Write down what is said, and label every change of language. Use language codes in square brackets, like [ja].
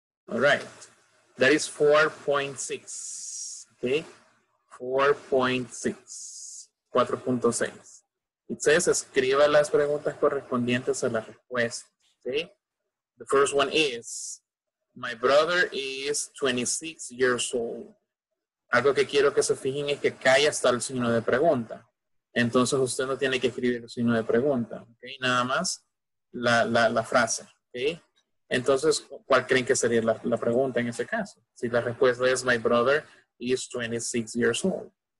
[en] All right, that is 4.6, okay? 4.6, 4.6. It says, [es] escriba las preguntas correspondientes a la respuesta, okay? [en] The first one is, my brother is 26 years old. [es] Algo que quiero que se fijen es que acá ya está el signo de pregunta. Entonces, usted no tiene que escribir el signo de pregunta, okay? Nada más la frase, okay? Entonces, ¿cuál creen que sería la pregunta en ese caso? Si la respuesta es, [en] my brother is 26 years old.